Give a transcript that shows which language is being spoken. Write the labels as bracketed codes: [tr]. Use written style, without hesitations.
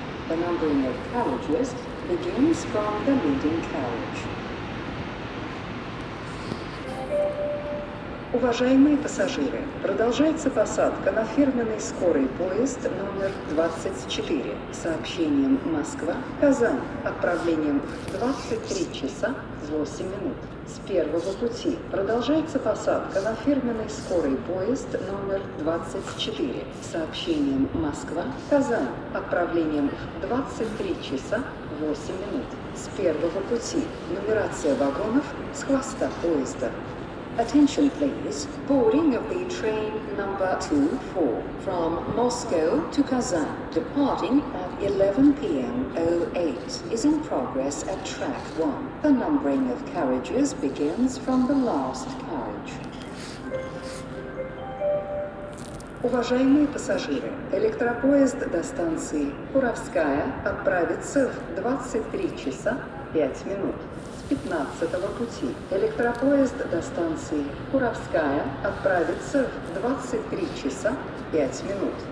[en] The numbering of carriages begins from the leading carriage. [ru] Уважаемые пассажиры, продолжается посадка на фирменный скорый поезд номер 24 с сообщением Москва-Казань отправлением в 23 часа 8 минут. С первого пути продолжается посадка на фирменный скорый поезд номер 24 с сообщением Москва-Казань отправлением в 23 часа 8 минут. С первого пути нумерация вагонов с хвоста поезда. [en] Attention please, boarding of the train number 24 from Moscow to Kazan, departing at 11 p.m. 08, is in progress at track 1. The numbering of carriages begins from the last carriage. [ru] Уважаемые пассажиры, электропоезд до станции Куровская отправится в 23 часа 5 минут. 15-го пути. Электропоезд до станции Куровская отправится в 23 часа 5 минут.